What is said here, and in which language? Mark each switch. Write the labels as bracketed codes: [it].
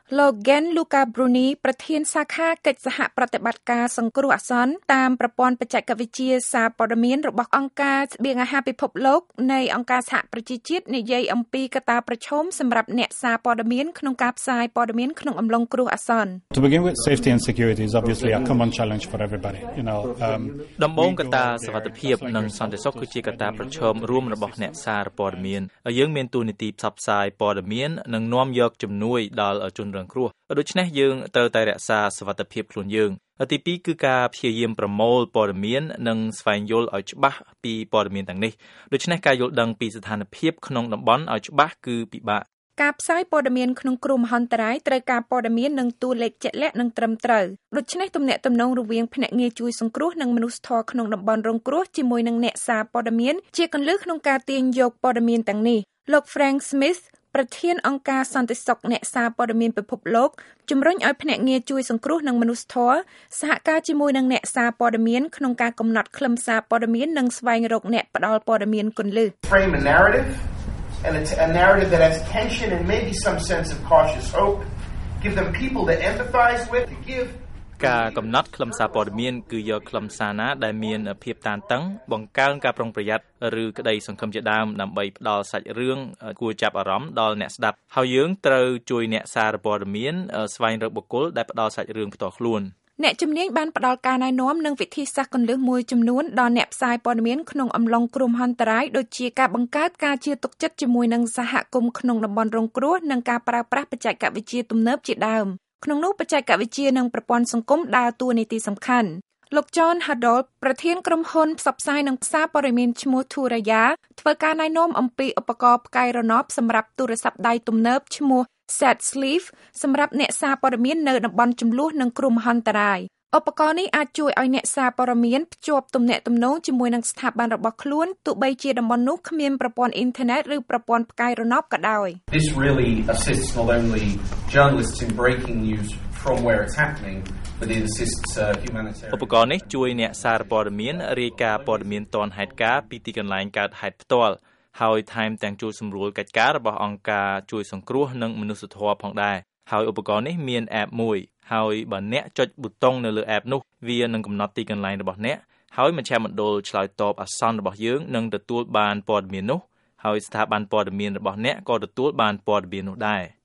[km] លោក Gen Luca Bruni ប្រធានសាខាកិច្ចសហប្រតិបត្តិការសង្គ្រោះអាសន្នតាមប្រព័ន្ធបច្ចេកវិទ្យាសារព័ត៌មានរបស់អង្គការស្បៀងអាហារពិភពលោកនៃអង្គការសហប្រជាជាតិនិយាយអំពីកត្តាប្រឈមសម្រាប់អ្នកសារព័ត៌មានក្នុងការផ្សាយព័ត៌មានក្នុងអំឡុងគ្រោះអាសន្ន [en] To begin with, safety and security is obviously a common challenge for everybody, you know. [km] ដំបូងកត្តាសុវត្ថិភាពនិងសន្តិសុខគឺជាកត្តាប្រឈមរួមរបស់អ្នកសារព័ត៌មានយើងមានតួនាទីផ្សព្វផ្សាយព័ត៌មាននិងនាំយកជំនួយដល់ជនរងគ្រោះដូច្នេះយើងត្រូវតែរក្សាសុវត្ថិភាពខ្លួនយើងទីពីរគឺការព្យាយាមប្រមូលព័ត៌មាននិងស្វែងយល់ឲ្យច្បាស់ពីព័ត៌មានទាំងនេះដូច្នេះការយល់ដឹងពីស្ថានភាពក្នុងតំបន់ឲ្យច្បាស់គឺពិបាក ការផ្សាយព័ត៌មានក្នុងក្រុមហន្តរាយត្រូវការព័ត៌មាននិងតួលេខជាក់លាក់និងត្រឹមត្រូវដូច្នេះទំនាក់ទំនងរវាងភ្នាក់ងារជួយសង្គ្រោះនិងមនុស្សធម៌ក្នុងតំបន់រងគ្រោះជាមួយនឹងអ្នកសារព័ត៌មានជាគន្លឹះក្នុងការទាញយកព័ត៌មានទាំងនេះ លោក Frank Smith ប្រធានអង្គការសន្តិសុខអ្នកសារព័ត៌មានពិភពលោកជំរុញឲ្យភ្នាក់ងារជួយសង្គ្រោះនិងមនុស្សធម៌សហការជាមួយនឹងអ្នកសារព័ត៌មានក្នុងការកំណត់ខ្លឹមសារព័ត៌មាននិងស្វែងរកអ្នកផ្ដល់ព័ត៌មានគន្លឹះ [en] Frame a narrative and it's a narrative that has tension and maybe some sense of cautious hope give them people to empathize with to give [km] ការកំណត់ខ្លឹមសារព័ត៌មានគឺយកខ្លឹមសារណាដែលមានភាពតានតឹងបង្កើនការប្រុងប្រយ័ត្នឬក្តីសង្ឃឹមជាដើមដើម្បីផ្ដល់សាច់រឿងគួរចាប់អារម្មណ៍ដល់អ្នកស្ដាប់ហើយយើងត្រូវជួយអ្នកសារព័ត៌មានស្វែងរកបុគ្គលដែលផ្ដល់សាច់រឿងផ្ទាល់ខ្លួន អ្នកជំនាញបានផ្ដល់ការណែនាំនិងវិធីសាស្ត្រគន្លឹះមួយចំនួនដល់អ្នកផ្សាយព័ត៌មានក្នុងអំឡុងគ្រោះមហន្តរាយដូចជាការបង្កើតការជឿទុកចិត្តជាមួយនឹងសហគមន៍ក្នុងតំបន់រងគ្រោះនិងការប្រើប្រាស់បច្ចេកវិទ្យាទំនើបជាដើមក្នុងនោះបច្ចេកវិទ្យានិងប្រព័ន្ធសង្គមដើរតួនាទីសំខាន់ លោក John Hadol ប្រធានក្រុមហ៊ុនផ្សព្វផ្សាយនិងផ្សារព័ត៌មានឈ្មោះ Thuraya ធ្វើការណែនាំអំពីឧបករណ៍ផ្កាយរណបសម្រាប់ទូរស័ព្ទដៃទំនើបឈ្មោះ Z-Sleeve សម្រាប់អ្នកសារព័ត៌មាននៅតំបន់ជម្លោះនិងគ្រោះមហន្តរាយឧបករណ៍នេះអាចជួយឲ្យអ្នកសារព័ត៌មានភ្ជាប់ទំនាក់ទំនងជាមួយនឹងស្ថាប័នរបស់ខ្លួនទោះបីជាតំបន់នោះគ្មានប្រព័ន្ធអ៊ីនធឺណិតឬប្រព័ន្ធផ្កាយរណបក៏ដោយ [en] This really assists not only journalists in breaking news from where it's happening but it assists humanitarian [km] ឧបករណ៍នេះជួយអ្នកសារព័ត៌មានរាយការណ៍ព័ត៌មានទាន់ហេតុការណ៍ពីទីកន្លែងកើតហេតុផ្ទាល់ហើយថែមទាំងជួយសម្រួលកិច្ចការរបស់អង្គការជួយសង្គ្រោះនិងមនុស្សធម៌ផងដែរហើយឧបករណ៍នេះមាន App មួយហើយបើអ្នកចុចប៊ូតុងនៅលើ App នោះវានឹងកំណត់ទីកន្លែងរបស់អ្នកហើយមជ្ឈមណ្ឌលឆ្លើយតបអាសន្នរបស់យើងនឹងទទួលបានព័ត៌មាននោះហើយស្ថាប័នព័ត៌មានរបស់អ្នកក៏ទទួលបានព័ត៌មាននោះដែរ